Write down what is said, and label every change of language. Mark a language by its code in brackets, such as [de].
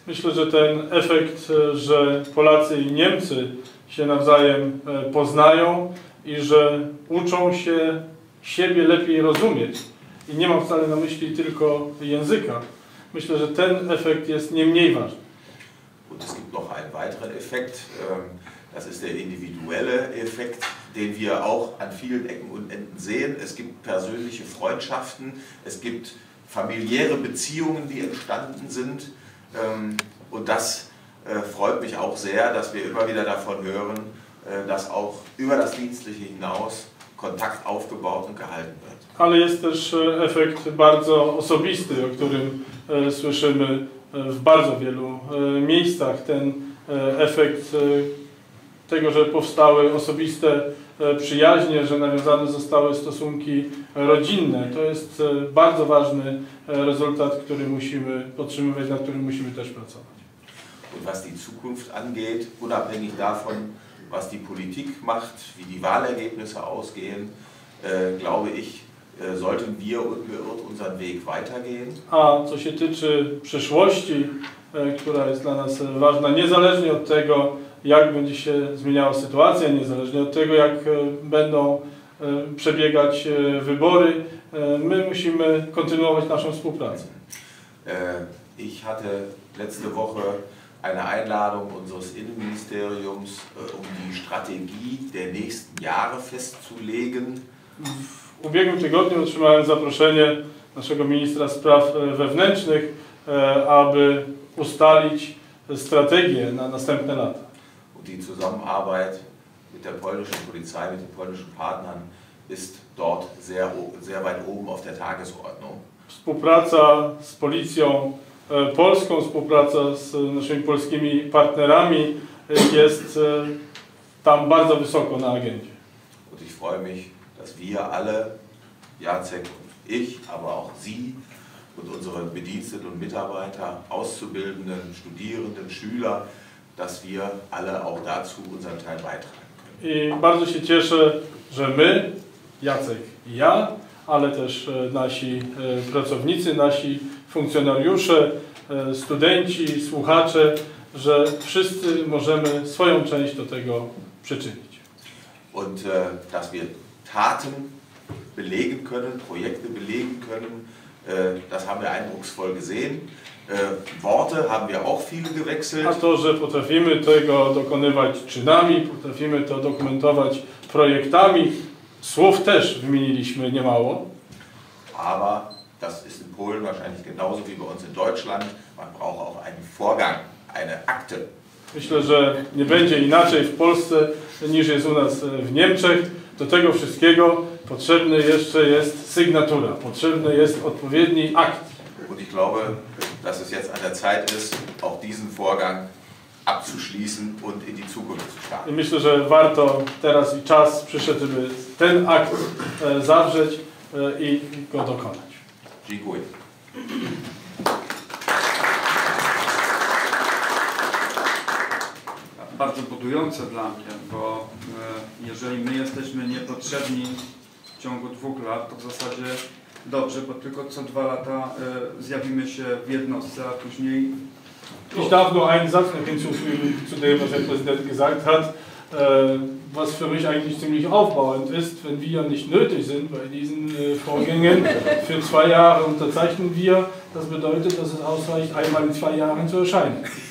[pl] Myślę, że ten efekt, że Polacy i Niemcy się nawzajem poznają i że uczą się siebie lepiej rozumieć, i nie mam wcale na myśli tylko języka, myślę, że ten efekt jest nie mniej ważny. [de] Und es gibt noch einen weiteren Effekt, das ist der individuelle Effekt, den wir auch an vielen Ecken und Enden sehen. Es gibt persönliche Freundschaften, es gibt familiäre Beziehungen, die entstanden sind, und das freut mich auch sehr, dass wir immer wieder davon hören, dass auch über das Dienstliche hinaus Kontakt aufgebaut und gehalten wird. [pl] Ale jest też efekt bardzo osobisty, o którym słyszymy w bardzo wielu miejscach. Ten efekt tego, że powstały osobiste przyjaźnie, że nawiązane zostały stosunki rodzinne. To jest bardzo ważny rezultat, który musimy podtrzymywać, nad którym musimy też pracować. [de] Und was die Zukunft angeht, unabhängig davon, was die Politik macht, wie die Wahlergebnisse ausgehen, glaube ich, sollten wir unbeirrt unseren Weg weitergehen. [pl] A co się tyczy przyszłości, która jest dla nas ważna, niezależnie od tego, jak będzie się zmieniała sytuacja, niezależnie od tego, jak będą przebiegać wybory, my musimy kontynuować naszą współpracę. [de] Ich hatte letzte Woche eine Einladung unseres Innenministeriums, um die Strategie der nächsten Jahre festzulegen. [pl] W ubiegłym tygodniu otrzymałem zaproszenie naszego ministra spraw wewnętrznych, aby ustalić strategię na następne lata. [de] Und die Zusammenarbeit mit der polnischen Polizei, mit den polnischen Partnern ist dort sehr, sehr weit oben auf der Tagesordnung. [pl] Współpraca z policją polską, współpraca z naszymi polskimi partnerami jest tam bardzo wysoko na agendzie. [de] Und ich freue mich, dass wir alle, Jacek und ich, aber auch Sie und unsere Bediensteten und Mitarbeiter, Auszubildenden, Studierenden, Schüler, dass wir alle auch dazu unseren Teil beitragen können. [pl] I bardzo się cieszę, że my, Jacek i ja, ale też nasi pracownicy, nasi funkcjonariusze, studenci, słuchacze, że wszyscy możemy swoją część do tego przyczynić. [de] Und dass wir Taten belegen können, Projekte belegen können, das haben wir eindrucksvoll gesehen. Worte haben wir auch viele gewechselt. [pl] A to, że potrafimy tego dokonywać czynami, potrafimy to dokumentować projektami, słów też wymieniliśmy niemało. [de] Aber das ist in Polen wahrscheinlich genauso wie bei uns in Deutschland. Man braucht auch einen Vorgang, eine Akte. [pl] Myślę, że nie będzie inaczej w Polsce niż jest u nas w Niemczech. Do tego wszystkiego potrzebny jeszcze jest sygnatura, potrzebny jest odpowiedni akt. [de] Und ich glaube, dass es jetzt an der Zeit ist, auch diesen Vorgang abzuschließen und in die Zukunft zu starten. [pl] I myślę, że warto teraz i czas przyszedł, by ten akt zawrzeć i go dokonać. Dziękuję. Bardzo budujące dla mnie, bo jeżeli my jesteśmy niepotrzebni w ciągu 2 lat, to w zasadzie dobrze, bo tylko co 2 lata zjawimy się w jednostce, a później... [de] Ich darf nur einen Satz hinzufügen zu dem, was der Präsident gesagt hat, was für mich eigentlich ziemlich aufbauend ist, wenn wir nicht nötig sind bei diesen Vorgängen. Für 2 Jahre unterzeichnen wir, das bedeutet, dass es ausreicht, einmal in 2 Jahren zu erscheinen.